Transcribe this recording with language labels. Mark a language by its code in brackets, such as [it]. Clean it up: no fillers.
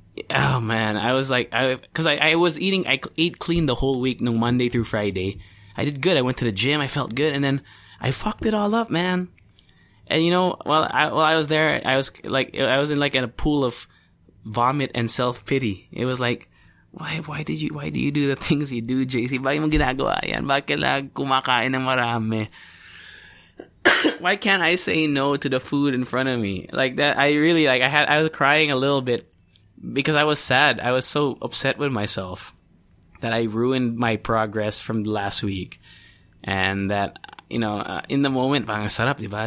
[en] Oh man, I was like, I ate clean the whole week, no Monday through Friday. I did good. I went to the gym. I felt good. And then I fucked it all up, man. And you know, while I was there, I was in like in a pool of vomit and self-pity. It was like, why do you do the things you do, JC? [tl] Bakit mo ginagawa yan? Bakit lang kumakain ng marami? [en] Why can't I say no to the food in front of me? Like that, I was crying a little bit because I was sad. I was so upset with myself that I ruined my progress from the last week. And that, you know, in the moment, [tl] parang sarap, diba?